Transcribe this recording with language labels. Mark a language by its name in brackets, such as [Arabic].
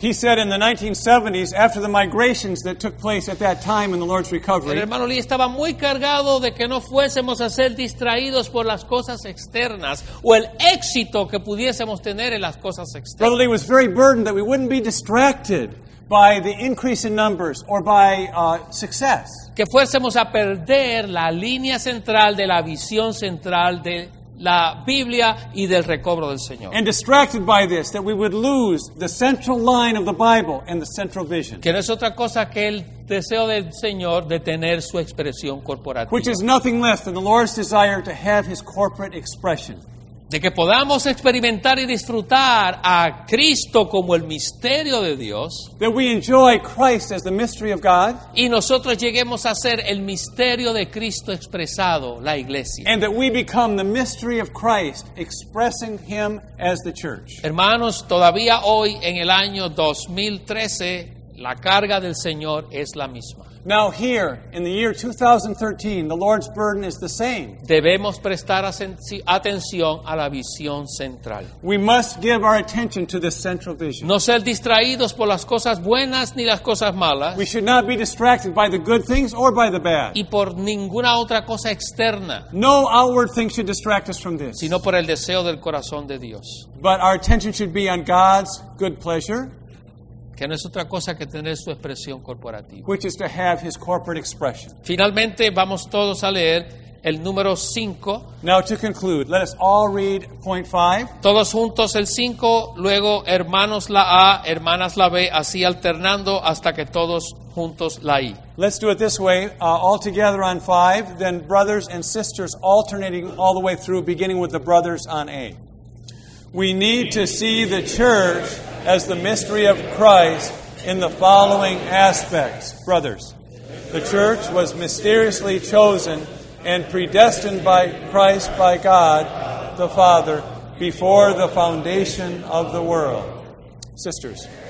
[English] He said in the 1970s, after the migrations that took place at that time in the Lord's recovery. [Spanish] El hermano Lee estaba muy cargado de que no fuésemos a ser distraídos por las cosas externas o el éxito que pudiésemos tener en las cosas externas. [English] Brother Lee was very burdened that we wouldn't be distracted by the increase in numbers or by success. [Spanish] Que fuésemos a perder la línea central de la visión central de la Biblia y del recobro del Señor. [English] And distracted by this, that we would lose the central line of the Bible and the central vision. [Spanish] Que no es otra cosa que el deseo del Señor de tener su expresión corporativa. [English] Which is nothing less than the Lord's desire to have His corporate expression. [Spanish] De que podamos experimentar y disfrutar a Cristo como el misterio de Dios. [English] That we enjoy Christ as the mystery of God. [Spanish] Y nosotros lleguemos a ser el misterio de Cristo expresado, la iglesia. [English] And that we become the mystery of Christ expressing Him as the church. [Spanish] Hermanos, todavía hoy en el año 2013, la carga del Señor es la misma. [English] Now here, in the year 2013, the Lord's burden is the same. [Spanish] Debemos prestar atención a la visión central. [English] We must give our attention to this central vision. [Spanish] No ser distraídos por las cosas buenas ni las cosas malas. [English] We should not be distracted by the good things or by the bad. [Spanish] Y por ninguna otra cosa externa. [English] No outward thing should distract us from this. [Spanish] Sino por el deseo del corazón de Dios. [English] But our attention should be on God's good pleasure. [Spanish] Que no es otra cosa que tener su expresión corporativa. [English] Which is to have His corporate expression. [Spanish] Finalmente, vamos todos a leer el número 5. [English] Now to conclude, let us all read point 5. [Spanish] Todos juntos el 5, luego hermanos la A, hermanas la B, así alternando hasta que todos juntos la I. [English] Let's do it this way, all together on 5, then brothers and sisters alternating all the way through, beginning with the brothers on A. We need to see the church as the mystery of Christ in the following aspects. Brothers, the church was mysteriously chosen and predestined by Christ, by God the Father, before the foundation of the world. Sisters,